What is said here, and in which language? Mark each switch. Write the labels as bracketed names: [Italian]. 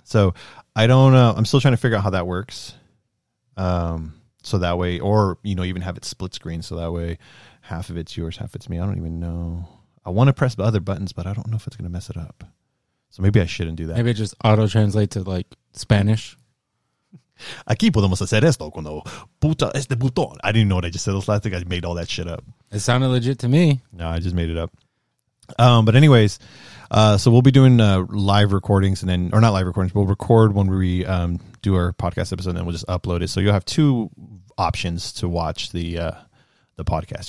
[English] So I don't know. I'm still trying to figure out how that works. So that way, or, even have it split screen. So that way half of it's yours, half it's me. I don't even know. I want to press the other buttons, but I don't know if it's going to mess it up. So maybe I shouldn't do that. Maybe it just auto-translate to like Spanish. [Spanish] Aquí podemos hacer esto cuando puta este botón. [English] I didn't know what I just said. Those last thing, I made all that shit up. It sounded legit to me. No, I just made it up. But anyways, so we'll be doing live recordings, and then, or not live recordings, we'll record when we do our podcast episode, and then we'll just upload it. So you'll have two options to watch the podcast.